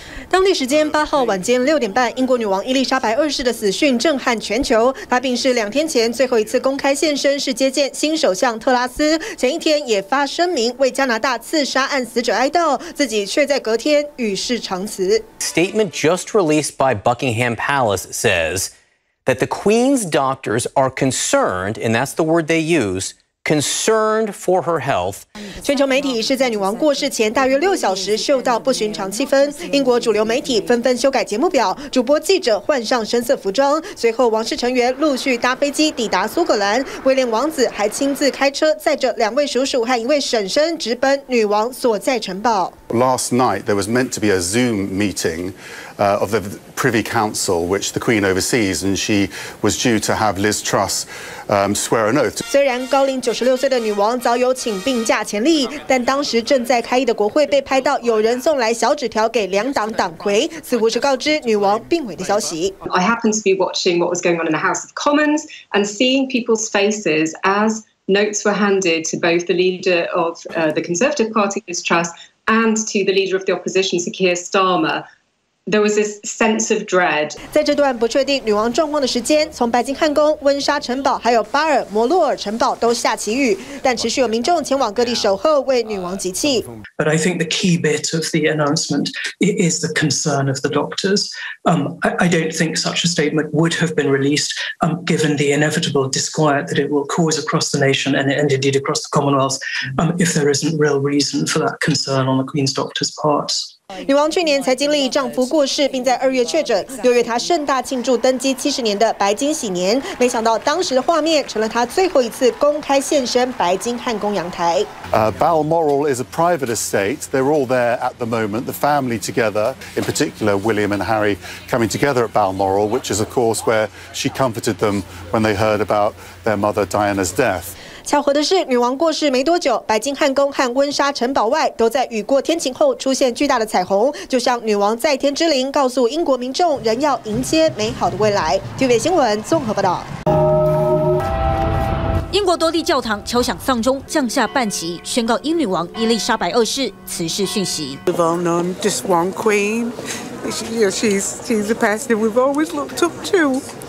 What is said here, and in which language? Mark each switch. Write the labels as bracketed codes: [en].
[zh] 当地时间八号晚间六点半，英国女王伊丽莎白二世的死讯震撼全球。她病逝两天前最后一次公开现身是接见新首相特拉斯，前一天也发声明为加拿大刺杀案死者哀悼，自己却在隔天与世长辞。 [en] Statement just released by Buckingham Palace says that the Queen's doctors are concerned, and that's the word they use. Concerned for her health. [zh] 全球媒体是在女王过世前大约六小时嗅到不寻常气氛，英国主流媒体纷纷修改节目表，主播记者换上深色服装，随后王室成员陆续搭飞机抵达苏格兰，威廉王子还亲自开车载着两位叔叔和一位婶婶直奔女王所在城堡。 [en] Last night there was meant to be a Zoom meeting, of the Privy Council, which the Queen oversees, and she was due to have Liz Truss, swear an oath. [zh] 虽然高龄96岁的女王早有请病假潜力，但当时正在开议的国会被拍到有人送来小纸条给两党党魁，似乎是告知女王病危的消息。 [en] I happened to be watching what was going on in the House of Commons and seeing people's faces as notes were handed to both the leader of the Conservative Party, Liz Truss. And to the leader of the opposition, Sir Keir Starmer, there was this sense of dread. [zh] 在这段不确定女王状况的时间，从白金汉宫、温莎城堡，还有巴尔摩洛尔城堡都下起雨，但持续有民众前往各地守候，为女王集气。 [en] But I think the key bit of the announcement is the concern of the doctors. I don't think such a statement would have been released, given the inevitable disquiet that it will cause across the nation and indeed across the Commonwealth, if there isn't real reason for that concern on the Queen's doctors' part. [zh] 女王去年才经历丈夫过世，并在二月确诊。六月，她盛大庆祝登基七十年的白金禧年，没想到当时的画面成了她最后一次公开现身白金汉宫阳台。 [en] Balmoral is a private estate. They're all there at the moment. The family together, in particular William and Harry, coming together at Balmoral, which is of course where she comforted them when they heard about their mother Diana's death. [zh] 巧合的是，女王过世没多久，白金汉宫和温莎城堡外都在雨过天晴后出现巨大的彩虹，就像女王在天之灵告诉英国民众，仍要迎接美好的未来。 TVB 新闻综合报道。英国多地教堂敲响丧钟，降下半旗，宣告英女王伊丽莎白二世辞世讯息。 [en] Well-known, just one queen. She's the person we've always looked up to.